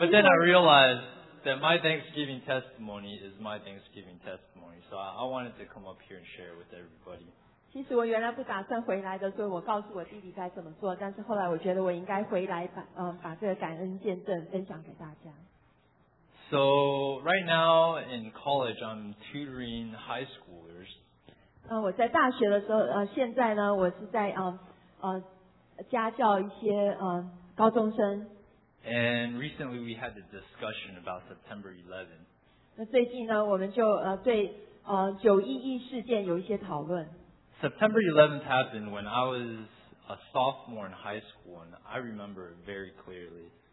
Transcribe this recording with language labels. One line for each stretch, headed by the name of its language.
English: But then I realized that my Thanksgiving testimony is my Thanksgiving testimony, so I wanted to come up here and share it with everybody.
Chinese: 其实我原来不打算回来的，所以我告诉我弟弟该怎么做，但是后来我觉得我应该回来把这个感恩见证分享给大家。
English: So right now in college I'm tutoring high schoolers.
Chinese: 我在大学的时候现在呢我是在家教一些高中生。
English: And recently we had a discussion about September 11.
Chinese: 那最近呢我们就对911事件有一些讨论。
English: September 11th happened when I was a sophomore in high school, and I remember it very clearly.